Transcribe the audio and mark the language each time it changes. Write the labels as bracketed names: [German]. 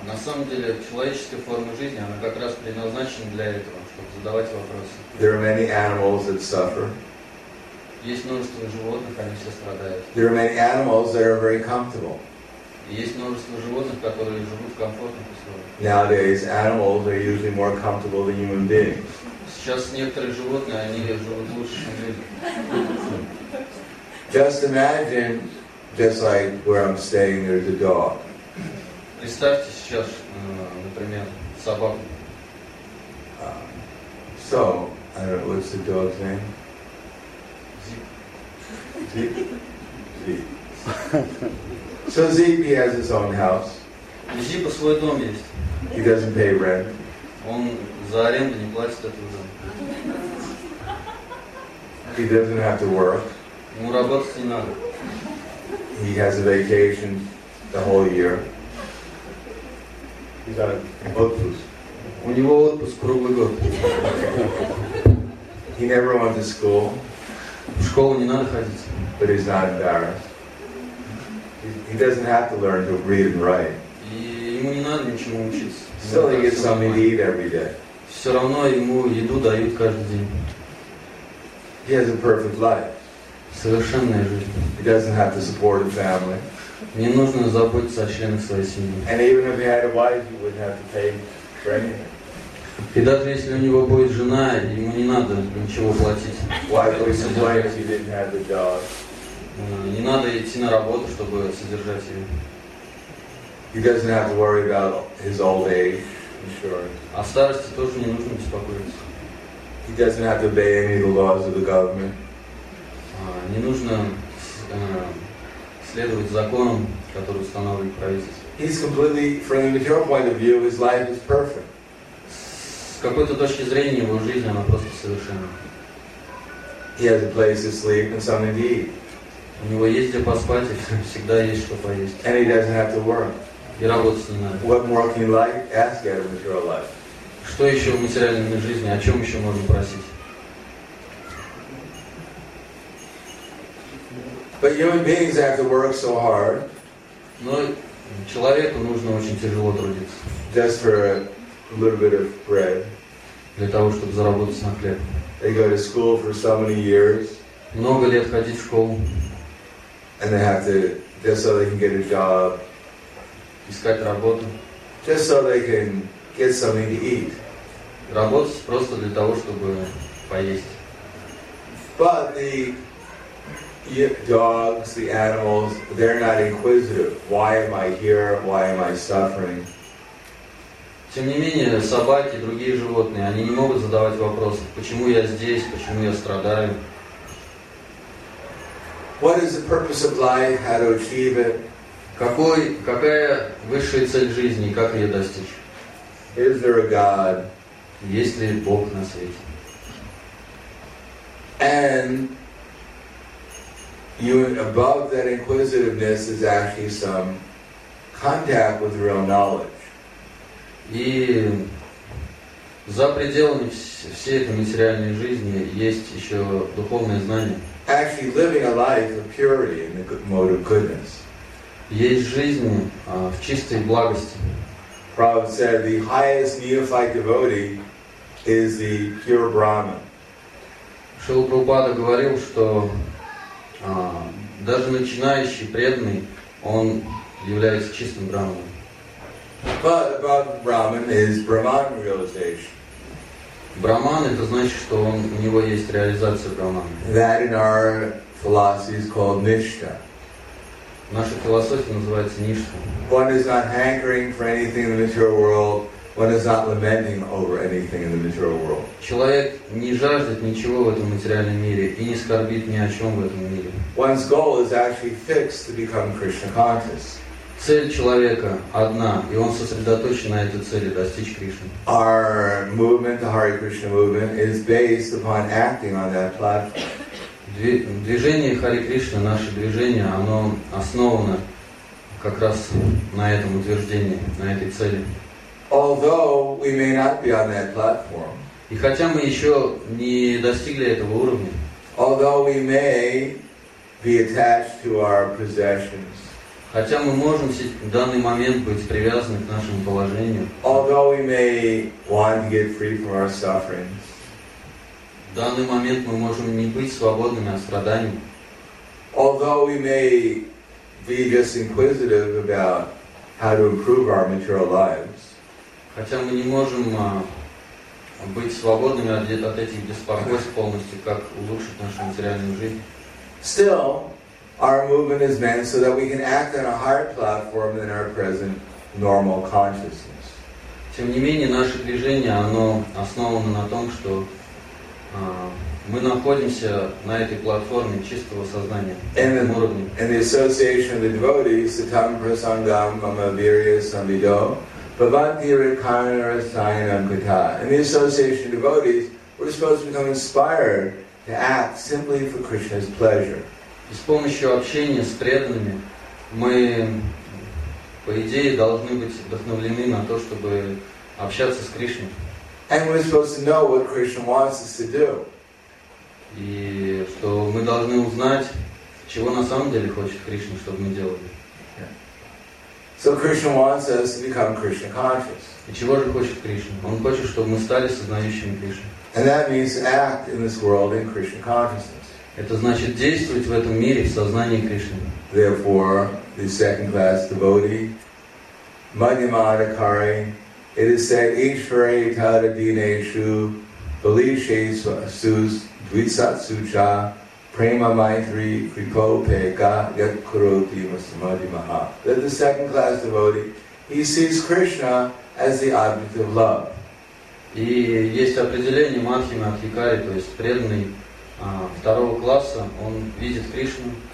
[Russian] На самом деле, человеческая форма жизни, она как раз предназначена для этого, чтобы задавать вопросы. [English] There are many animals that suffer. [Russian] Есть множество животных, они все страдают. [English] There are many animals that are very comfortable. [Russian] Есть множество животных, которые живут в комфортных условиях. [English] Nowadays, animals are usually more comfortable than human beings. [Russian] Сейчас некоторые животные, они живут лучше, чем люди. [English] Just imagine, just like where I'm staying, there's a dog. [Russian] Представьте сейчас, например, собаку. [English] So, I don't know, what's the dog's name? Zip. Zip? Zip. So Zeep, he has his own house. Zeep has his own house. He doesn't pay rent. [Russian] Он за аренду не платит эту за. [English] He doesn't have to work. [Russian] Ему работать не надо. [English] He has a vacation the whole year. He's on [Russian] отпуск. У него отпуск круглый год. [English] He never went to school. [Russian] В школу не надо ходить. [English] But he's not embarrassed. He doesn't have to learn to read and write. [Russian] И ему не надо ничему учиться. [English] Still, he gets something to eat every day. [Russian] Все равно ему еду дают каждый день. [English] He has a perfect life. [Russian] Совершенная жизнь. [English] He doesn't have to support a family. [Russian] Не нужно заботиться о членах своей семьи. [English] And even if he had a wife, he wouldn't have to pay for anything. [Russian] И даже если у него будет жена, ему не надо ничего платить. [English] Why would he complain if he didn't have the job? [Russian] Не надо идти на работу, чтобы содержать ее. [English] He doesn't have to worry about his old age insurance. [Russian] О старости тоже не нужно беспокоиться. [English] He doesn't have to obey any of the laws of the government. [Russian] Не нужно следовать законам, которые устанавливает правительство. [English] He's completely, from your point of view, his life is perfect. [Russian] С какой-то точки зрения его жизнь она просто совершенна. [English] He has a place to sleep and something to eat. [Russian] У него есть где поспать, и всегда есть что поесть. [English] And he doesn't have to work. [Russian] И работать не надо. [English] What more can you like ask out of material life? [Russian] Что еще в материальной жизни, о чем еще можно просить? [English] But human beings have to work so hard. [Russian] Но человеку нужно очень тяжело трудиться. [English] Just for a little bit of bread. [Russian] Для того, чтобы заработать на хлеб. [English] They go to school for so many years. [Russian] Много лет ходить в школу. [English] And they have to, just so they can get a job. [Russian] Искать работу. [English] Just so they can get something to eat. [Russian] Работать просто для того, чтобы поесть. [English] But the dogs, the animals, they're not inquisitive. Why am I here? Why am I suffering? [Russian] Тем не менее, собаки и другие животные, они не могут задавать вопрос, почему я здесь, почему я страдаю. [English] What is the purpose of life? How to achieve it? [Russian] Какая высшая цель жизни? Как ее достичь? [English] Is there a God? [Russian] Есть ли Бог на свете? [English] And you, above that inquisitiveness, is actually some contact with real knowledge. [Russian] И за пределами всей этой материальной жизни есть еще духовное знание. [English] Actually living a life of purity in the mode of goodness. [Russian] Есть жизнь в чистой благости. [English] Prabhupada said the highest neophyte devotee is the pure Brahman. [Russian] Шрила Прабхупада говорил, что даже начинающий преданный, он является чистым Брахманом. [English] But above Brahman is Brahman realization. [Russian] Брахман — это значит, что он, у него есть реализация Брахмана. [English] That in our philosophy is called Nishtha. [Russian] Наша философия называется Ништха. [English] One is not hankering for anything in the material world. One is not lamenting over anything in the material world. [Russian] Человек не жаждет ничего в этом материальном мире и не скорбит ни о чем в этом мире. [English] One's goal is actually fixed to become Krishna conscious. [Russian] Цель человека одна, и он сосредоточен на этой цели, достичь Кришны. [English] Our movement, the Hare Krishna movement, is based upon acting on that platform. [Russian] Движение Hare Krishna, наше движение, оно основано как раз на этом утверждении, на этой цели. [English] Although we may not be on that platform. [Russian] И хотя мы еще не достигли этого уровня. [English] Although we may be attached to our possessions. [Russian] Хотя мы можем в данный момент быть привязаны к нашему положению. [English] Although we may want to get free from our sufferings. [Russian] В данный момент мы можем не быть свободными от страданий. [English] Although we may be just inquisitive about how to improve our material lives. [Russian] Хотя мы не можем быть свободными от этих беспокойств полностью, как улучшить нашу материальную жизнь. [English] Still, our movement is meant so that we can act on a higher platform than our present normal consciousness. [Russian] Тем не менее, наше движение, оно основано на том, что мы находимся на этой платформе чистого сознания, на уровне. [English] In the association of the devotees, [Sanskrit] Satam Prasangam, Mamavirya, Samvido, Bhavanti, Rikarnara, Sayanam, Kata. [English] In the association of devotees, we're supposed to become inspired to act simply for Krishna's pleasure. [Russian] И с помощью общения с преданными мы, по идее, должны быть вдохновлены на то, чтобы общаться с Кришной. [English] And we're supposed to know what Krishna wants us to do. [Russian] И что мы должны узнать, чего на самом деле хочет Кришна, чтобы мы делали. [English] So Krishna wants us to become Krishna conscious. [Russian] И чего же хочет Кришна? Он хочет, чтобы мы стали сознающими Кришну. [English] And that means act in this world in Krishna consciousness. [Russian] Это значит действовать в этом мире в сознании Кришны. [English] Therefore, the second class devotee, Madhyamadhikari, it is said, [Sanskrit] Ishvara Itada Dineshu, Balishe Swasus, Dvitsatsucha, Prema Maitri, Kripo Peka, Yat Kuroti Masamadhimaha. [English] That the second class devotee, he sees Krishna as the object of love. [Russian] И есть определение Мадхьяма Адхикари, то есть преданный второго класса, он видит Кришну.